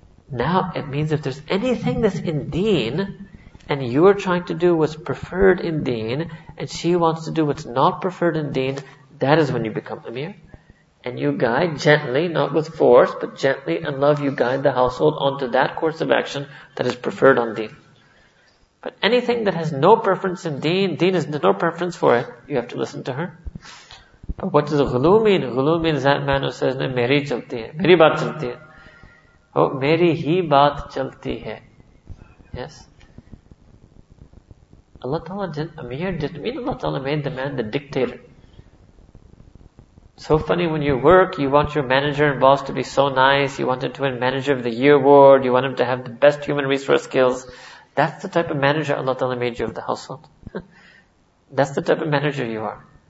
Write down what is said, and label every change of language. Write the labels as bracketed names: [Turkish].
[English] Now it means if there's anything that's in deen, and you're trying to do what's preferred in deen, and she wants to do what's not preferred in deen, that is when you become Amir. And you guide gently, not with force, but gently and love, you guide the household onto that course of action that is preferred on deen. But anything that has no preference in deen has no preference for it, you have to listen to her. But what does ghulu mean? Ghulu means that man who says, [Urdu] میری چلتی ہے، میری بات چلتی ہے. اوہ، میری ہی بات چلتی ہے. [English] Yes? Allah Ta'ala didn't, Amir didn't mean Allah Ta'ala made the man the dictator. So funny, when you work, you want your manager and boss to be so nice, you want him to win manager of the year award, you want him to have the best human resource skills. That's the type of manager Allah Ta'ala made you of the household. That's the type of manager you are.